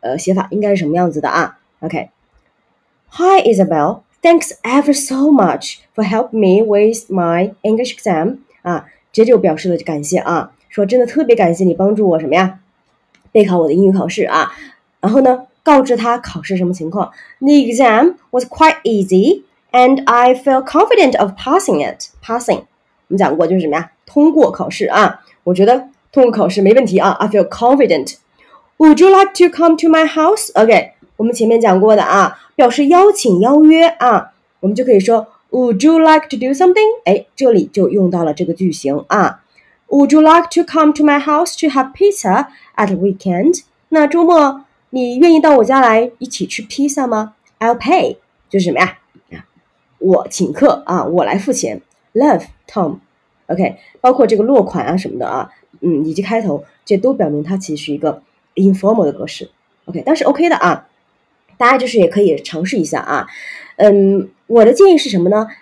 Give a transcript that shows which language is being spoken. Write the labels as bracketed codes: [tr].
[zh] 写法应该是什么样子的啊 [en] ？OK, Hi Isabel, thanks ever so much for helping me with my English exam. [zh] 啊，这就表示了感谢啊，说真的特别感谢你帮助我什么呀，备考我的英语考试啊。然后呢，告知他考试什么情况。 [en] The exam was quite easy, and I feel confident of passing it. [zh] Passing, 我们讲过就是什么呀？通过考试啊，我觉得通过考试没问题啊。 [en] I feel confident. Would you like to come to my house? [zh] OK, 我们前面讲过的啊，表示邀请邀约啊，我们就可以说 [en] Would you like to do something? [zh] 哎，这里就用到了这个句型啊。 [en] Would you like to come to my house to have pizza at the weekend? [zh] 那周末你愿意到我家来一起吃披萨吗？ [en] I'll pay, [zh] 就是什么呀？我请客啊，我来付钱。 [en] Love, Tom. [zh] OK, 包括这个落款啊什么的啊，以及开头，这都表明它其实是一个informal 的格式 ，OK， 但是 OK 的啊，大家就是也可以尝试一下啊，我的建议是什么呢？